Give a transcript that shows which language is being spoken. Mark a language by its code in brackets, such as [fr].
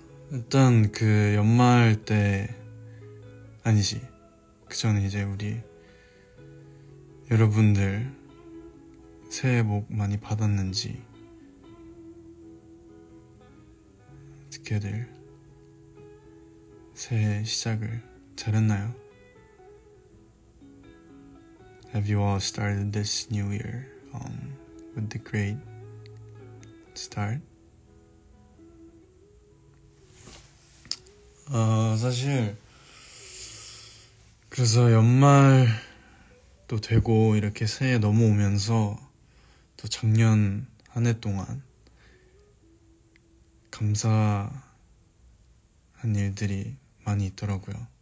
[ko] 일단 그 연말 때 아니지 그 전에 이제 우리 여러분들 새해 복 많이 받았는지 어떻게들 새해 시작을 잘했나요? [en] Have you all started this new year with a great start? [ko] 사실 그래서 연말 또 되고 이렇게 새해 넘어오면서 또 작년 한 해 동안 감사한 일들이 많이 있더라고요.